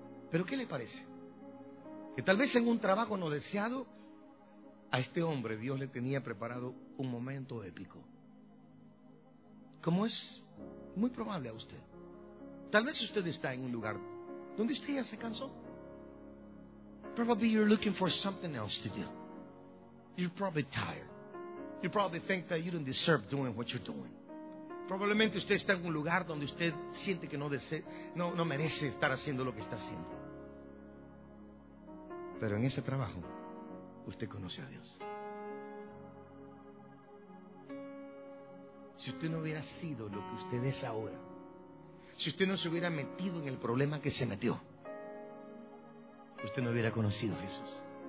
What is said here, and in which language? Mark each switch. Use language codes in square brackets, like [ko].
[es] ¿Pero qué le parece? Que tal vez en un trabajo no deseado, a este hombre Dios le tenía preparado un momento épico. Como es muy probable a usted. Tal vez usted está en un lugar donde usted ya se cansó. [en] Probably you're looking for something else to do. You're probably tired. You probably think that you don't deserve doing what you're doing. [es] Probablemente usted está en un lugar donde usted siente que no merece estar haciendo lo que está haciendo. Pero en ese trabajo, usted conoce a Dios. Si usted no hubiera sido lo que usted es ahora, si usted no se hubiera metido en el problema que se metió, usted no hubiera conocido a Jesús.